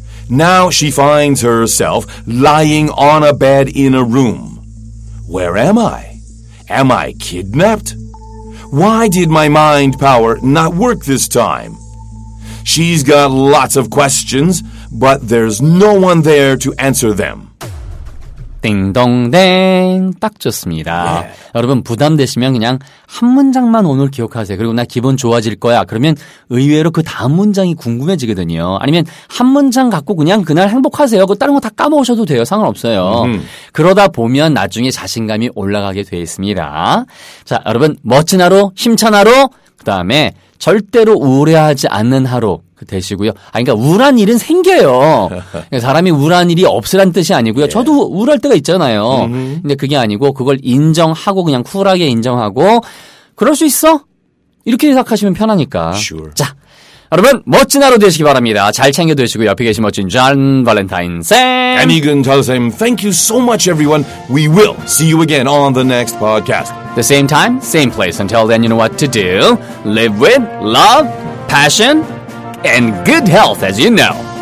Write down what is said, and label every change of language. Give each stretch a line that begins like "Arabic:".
English: Now she finds herself lying on a bed in a room. Where am I? Am I kidnapped? Why did my mind power not work this time? She's got lots of questions, but there's no one there to answer them.
Korean: 띵동댕 딱 좋습니다. Yeah. 여러분 부담되시면 그냥 한 문장만 오늘 기억하세요. 그리고 나 기분 좋아질 거야. 그러면 의외로 그 다음 문장이 궁금해지거든요. 아니면 한 문장 갖고 그냥 그날 행복하세요. 그 다른 거 다 까먹으셔도 돼요. 상관없어요. 그러다 보면 나중에 자신감이 올라가게 돼 있습니다. 자, 여러분 멋진 하루, 힘찬 하루, 그다음에 절대로 우울해하지 않는 하루 되시고요. 아, 그러니까 우울한 일은 생겨요. 사람이 우울한 일이 없으란 뜻이 아니고요. 예. 저도 우울할 때가 있잖아요. 근데 그게 아니고 그걸 인정하고 그냥 쿨하게 인정하고 그럴 수 있어? 이렇게 생각하시면 편하니까.
English: Sure.
Korean: 자, 여러분 멋진 하루 되시기 바랍니다. 잘 챙겨 드시고 옆에 계신 멋진 존 발렌타인 쌤.
English: 아니근 자자쌤. Thank you so much everyone. We will see you again on the next podcast. The same time, same place. Until then, you know what to do. Live with love, passion, and good health, as you know.